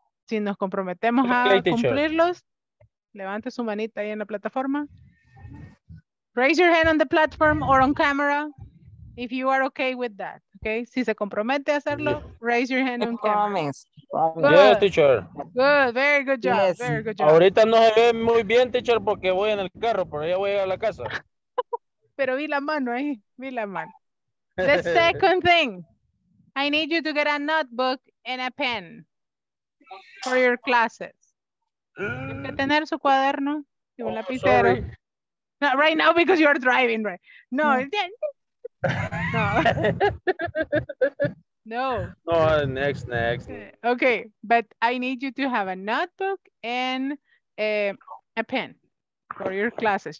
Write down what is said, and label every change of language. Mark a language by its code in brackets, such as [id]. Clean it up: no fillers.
[es] Si nos comprometemos a cumplirlos, levante su manita ahí en la plataforma. [en] Raise your hand on the platform or on camera if you are okay with that. Okay, [es] si se compromete a hacerlo, [en] raise your hand on camera. Good. Yes, teacher. Good, very good job. Yes. Very good job. [es] Ahorita no se ve muy bien, teacher, porque voy en el carro, pero ya voy a la casa. Pero vi la mano ahí, vi la mano. [en] The second thing, I need you to get a notebook and a pen for your classes. [es] Tienes que tener su cuaderno y un lapicero. [en] Sorry. Not right now because you are driving, right? No. No. No. Oh, next. Okay, but I need you to have a notebook and a pen for your classes.